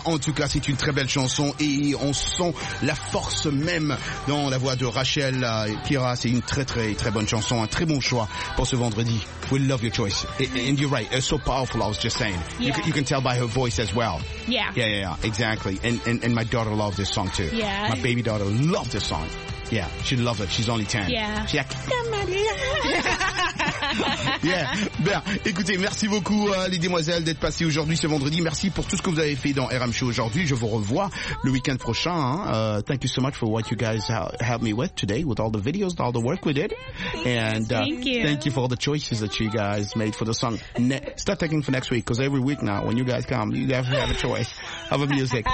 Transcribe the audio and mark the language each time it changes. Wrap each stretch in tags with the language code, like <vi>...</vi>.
<fr>En tout cas, c'est une très belle chanson et on sent la force même dans la voix de Rachel Kira. C'est une très très très bonne chanson, un très bon choix pour ce vendredi.</fr> <en>We love your choice. And you're right, it's so powerful. I was just saying, yeah. you can tell by her voice as well. Yeah. Yeah, yeah, yeah, exactly. And my daughter loves this song too. Yeah. My baby daughter loves this song. Yeah, she loves it. She's only 10. Yeah. She's like, come on, yeah.</en> <fr>Ben, écoutez, merci beaucoup, les demoiselles, d'être passées aujourd'hui, ce vendredi. Merci pour tout ce que vous avez fait dans RM Show aujourd'hui. Je vous revois le week-end prochain. Hein.</fr> <en>Thank you so much for what you guys helped me with today, with all the videos, all the work we did. And thank you for all the choices that you guys made for the song. Start taking for next week, because every week now, when you guys come, you guys have a choice of a music.</en>